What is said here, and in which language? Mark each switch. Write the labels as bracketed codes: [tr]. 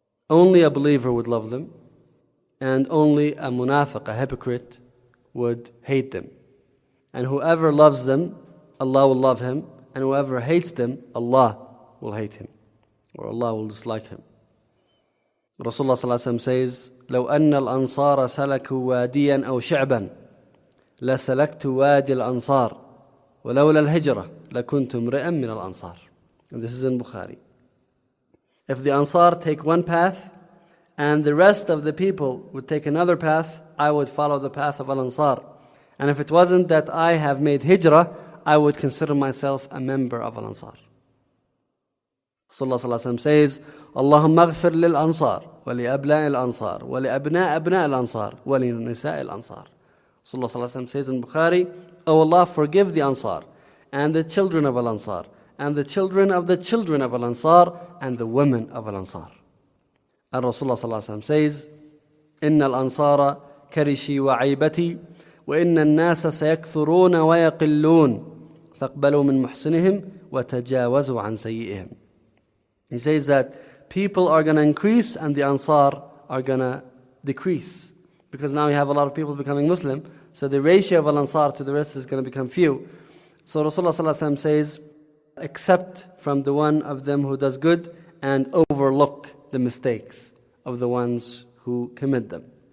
[en] Only a believer would love them, and only a munafiq, a hypocrite, would hate them. And whoever loves them, Allah will love him, and whoever hates them, Allah will hate him, or Allah will dislike him. [ar] Rasulullah صلى الله عليه وسلم says, لَوْ أَنَّ الْأَنصَارَ سَلَكُوا وَادِيًا أَوْ شَعْبًا لَسَلَكْتُ وَادِي الْأَنصَارِ وَلَوْلَا الْهِجْرَةِ لَكُنْتُمْ رِئًا مِّنَ الْأَنصَارِ. [en] And this is in Bukhari. If the Ansar take one path, and the rest of the people would take another path, I would follow the path of Al-Ansar. And if it wasn't that I have made hijrah, I would consider myself a member of Al-Ansar. Rasulullah صلى الله عليه وسلم says, [ar] اللهم اغفر للأنصار ولأبناء الأنصار ولأبناء أبناء الأنصار ولنساء الأنصار. صلى الله عليه وسلم [en] says in Bukhari, oh Allah, forgive the Ansar and the children of Al-Ansar and the children of the children of Al-Ansar and the women of Al-Ansar. [ar] And Rasulullah صلى الله عليه وسلم says, إن الأنصار كرشي وعيبتي وإن الناس سيكثرون ويقلون فاقبلوا من محسنهم وتجاوزوا عن سيئهم. [en] He says that people are going to increase and the Ansar are going to decrease. Because now we have a lot of people becoming Muslim, so the ratio of Al-Ansar to the rest is going to become few. So Rasulullah ﷺ says, accept from the one of them who does good and overlook the mistakes of the ones who commit them.